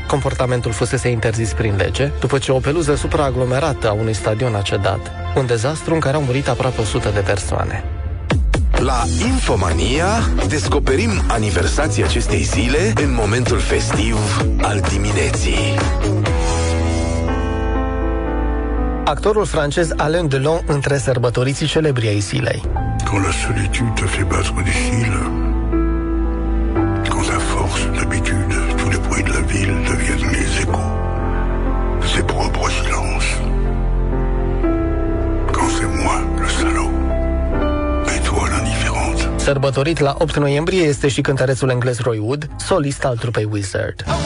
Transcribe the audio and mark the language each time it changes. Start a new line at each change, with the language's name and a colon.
Romanian: Comportamentul fusese interzis prin lege, după ce o peluză supraaglomerată a unui stadion a cedat, un dezastru în care au murit aproape 100 de persoane. La Infomania descoperim aniversații acestei zile în momentul festiv al dimineții. Actorul francez Alain Delon între sărbătoriții celebriei zilei.
French: Quand la solitude te fait battre des cils, quand la force d'habitude, tous les bruits de la ville deviennent les échos, ses propres silences.
Romanian: Sărbătorit la 8 noiembrie este și cântărețul englez Roy Wood, solist al trupei Wizard.